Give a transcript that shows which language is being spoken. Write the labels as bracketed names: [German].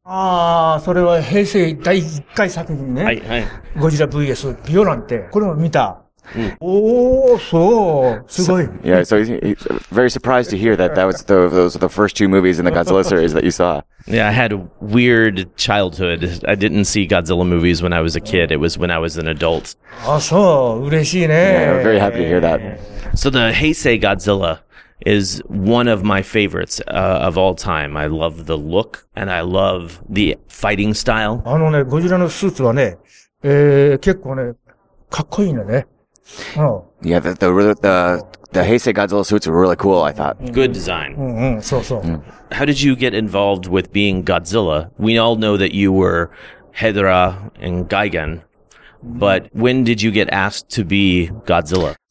[Japanese] Ah, それは平成第一回作品ね。はいはい。ゴジラ VS ビオランテ。これも見た。Oh, so, すごい。 [English] Yeah, so he's very surprised to hear that those are the first two movies in the Godzilla series that you saw. Yeah, I had a weird childhood. I didn't see Godzilla movies when I was a kid. It was when I was an adult. [Japanese] Ah, so, 嬉しいね。 [English] Yeah, I'm very happy to hear that. So the Heisei Godzilla is one of my favorites, of all time. I love the look and I love the fighting style. [Japanese] あのね、ゴジラのスーツはね、結構ね、かっこいいのね。 Oh. [English] Yeah, the Heisei Godzilla suits were really cool, I thought. Good design. So, so. How did you get involved with being Godzilla? We all know that you were Hedera and Gigan, but when did you get asked to be Godzilla?